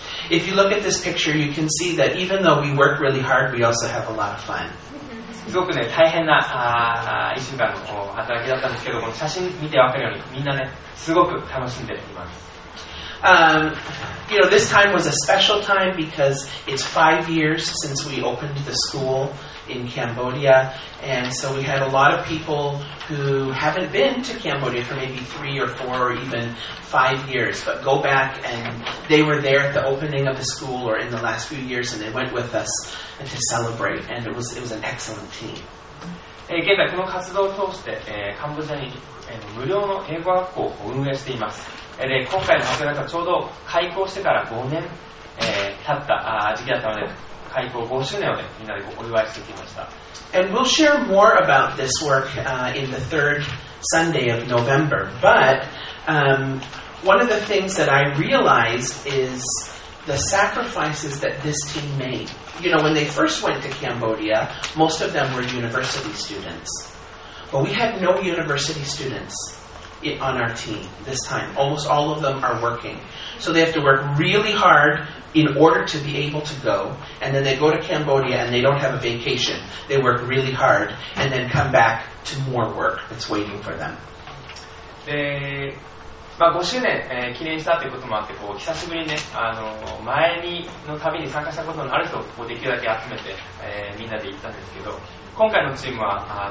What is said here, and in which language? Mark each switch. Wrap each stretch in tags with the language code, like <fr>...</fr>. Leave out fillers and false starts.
<en>If you look at this picture, you can see that even though we work really hard, we also have a lot of fun.</en> <ja>すごくね、大変な、一週間の働きだったんですけども、写真見て分かるように、みんなね、すごく楽しんでいます。</ja> <en>You know, this time was a special time because it's 5 years since we opened the school in Cambodia, and so we had a lot of people who haven't been to Cambodia for maybe 3 or 4 or even 5 years, but go back and they were there at the opening of the school or in the last few years, and they went with us to celebrate, and it was an excellent team.</en> <ja>現在この活動を通して、カンボジアに、無料の英語学校を運営しています。で今回の学校がちょうど開校してから5年、経った時期だったので、開校5周年を、ね、みんなでお祝いしてきました。</ja> <en>And we'll share more about this work、in the third Sunday of November. But、one of the things that I realized is the sacrifices that this team made. You know, when they first went to Cambodia, most of them were university students. But we had no university students on our team this time. Almost all of them are working. So they have to work really hard in order to be able to go. And then they go to Cambodia and they don't have a vacation. They work really hard and then come back to more work that's waiting for them.</en> <ja>まあ、5周年、記念したということもあってこう久しぶりに、ね、前にの旅に参加したことのある人をできるだけ集めて、みんなで行ったんですけど今回のチームは</ja>